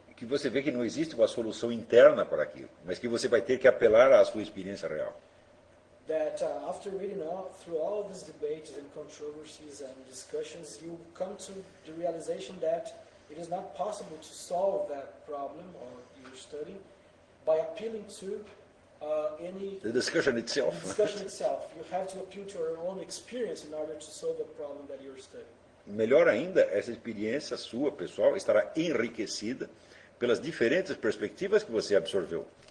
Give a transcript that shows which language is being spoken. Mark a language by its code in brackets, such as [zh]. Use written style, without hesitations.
[pt] Que você vê que não existe uma solução interna para aquilo, mas que você vai ter que apelar à sua experiência real. [en] That after reading all, through all these debates and controversies and discussions, you come to the realization that it is not possible to solve that problem or your study by appealing to any... The discussion itself. The discussion itself. You have to appeal to your own experience in order to solve the problem that you're studying. [pt] Melhor ainda, essa experiência sua, pessoal, estará enriquecida pelas diferentes perspectivas que você absorveu.